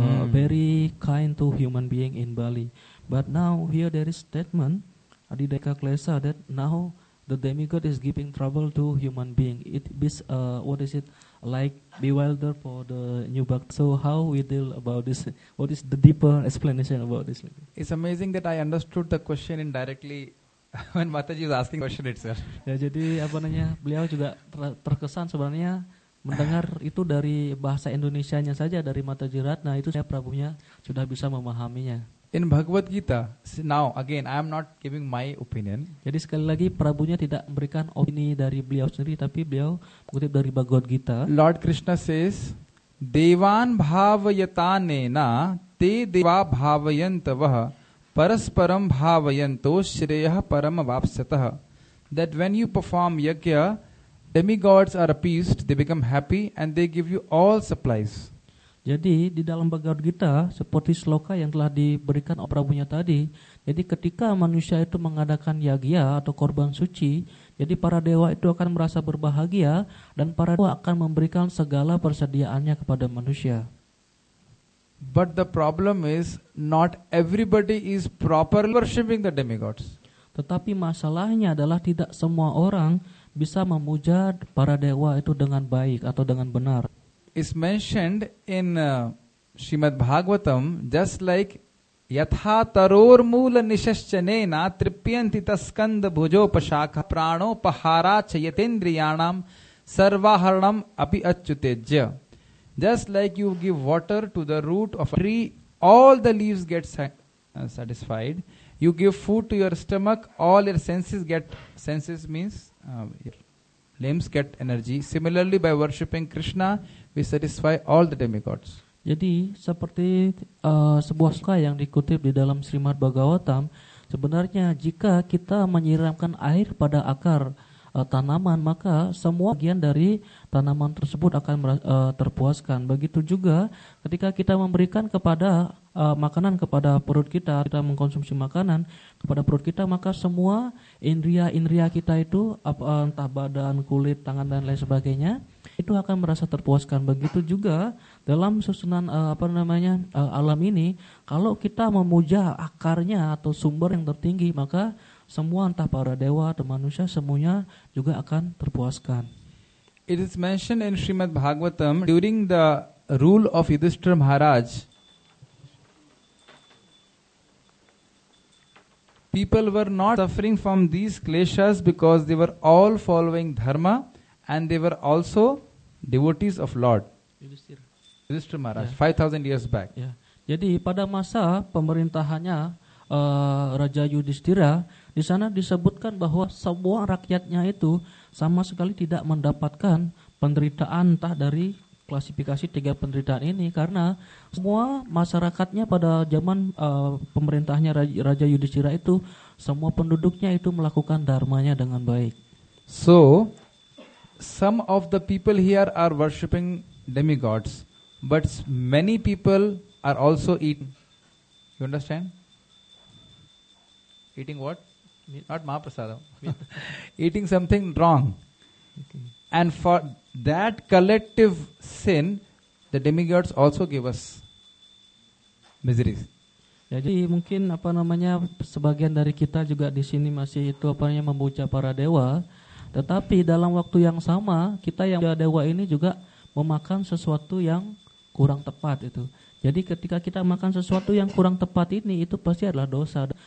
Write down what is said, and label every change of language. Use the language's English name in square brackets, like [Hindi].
[English] Very kind to human being in Bali. But now here there is statement, Adideka Klesa, that now the demigod is giving trouble to human being. It is, what is it, like bewilder for the new bhakti. So how we deal about this? What is the deeper explanation about this? It's amazing that I understood the question indirectly when Mataji is asking question itself. [Indonesian] Ya, jadi apa namanya, beliau juga terkesan sebenarnya mendengar itu dari bahasa Indonesianya saja, dari Mataji Ratna, itu saya prabunya sudah bisa memahaminya. [English] In Bhagavad Gita, now again, I am not giving my opinion. [Indonesian] Jadi sekali lagi, Prabhunya tidak memberikan opini dari beliau sendiri, tapi beliau mengutip dari Bhagavad Gita. [English] Lord Krishna says, [Sanskrit] Devan bhavayatanena te deva bhavayantavah parasparam bhavayanto shreya param vapsatah. [English] That when you perform yajna, demigods are appeased, they become happy and they give you all supplies. [Indonesian] Jadi di dalam Bhagavad Gita seperti sloka yang telah diberikan oleh Prabhunya tadi, jadi ketika manusia itu mengadakan yagya atau korban suci, jadi para dewa itu akan merasa berbahagia dan para dewa akan memberikan segala persediaannya kepada manusia. [English] But the problem is not everybody is properly worshiping the demigods. [Indonesian] Tetapi masalahnya adalah tidak semua orang bisa memuja para dewa itu dengan baik atau dengan benar. [English] Is mentioned in Srimad Bhagavatam, just like [Sanskrit] yatha taror moola nishaschane na tripyanti taskand bhujo pashaka prano pahara chayatendriyanam sarvaharanam api achyutejya. [English] Just like you give water to the root of a tree, all the leaves get satisfied. You give food to your stomach, all your senses get, senses means your limbs get energy. Similarly, by worshipping Krishna, we satisfy all the demigods. [Indonesian] Jadi seperti sebuah sloka yang dikutip di dalam Srimad Bhagavatam, sebenarnya jika kita menyiramkan air pada akar tanaman, maka semua bagian dari tanaman tersebut akan terpuaskan. Begitu juga ketika kita memberikan kepada makanan kepada perut kita, kita mengkonsumsi makanan kepada perut kita, maka semua indria-indria kita itu, entah badan, kulit, tangan dan lain sebagainya, itu akan merasa terpuaskan. Begitu juga dalam susunan alam ini, kalau kita memuja akarnya atau sumber yang tertinggi, maka semua entah para dewa atau manusia semuanya juga akan terpuaskan. [English] It is mentioned in Srimad Bhagavatam during the rule of Yudhishthira Maharaj, people were not suffering from these kleshas because they were all following dharma and they were also devotees of Lord. Yudhishthira Maharaj, yeah. 5000 years back. Yeah. [Indonesian] Jadi pada masa pemerintahannya Raja Yudhishthira, di sana disebutkan bahwa semua rakyatnya itu sama sekali tidak mendapatkan penderitaan entah dari klasifikasi tiga penderitaan ini, karena semua masyarakatnya pada zaman pemerintahnya Raja Yudhishthira itu, semua penduduknya itu melakukan dharmanya dengan baik. [English] So, some of the people here are worshipping demigods, but many people are also eating. You understand? Eating what? Not Mahaprasadam. Eating something wrong. Okay. And for that collective sin, the demigods also give us miseries. [Indonesian] Jadi mungkin apa namanya, sebagian dari kita juga di sini masih itu apa namanya memuja para dewa, tetapi dalam waktu yang sama kita yang memuja dewa ini juga memakan sesuatu yang kurang tepat itu. Jadi ketika kita makan sesuatu yang kurang tepat ini, itu pasti adalah dosa.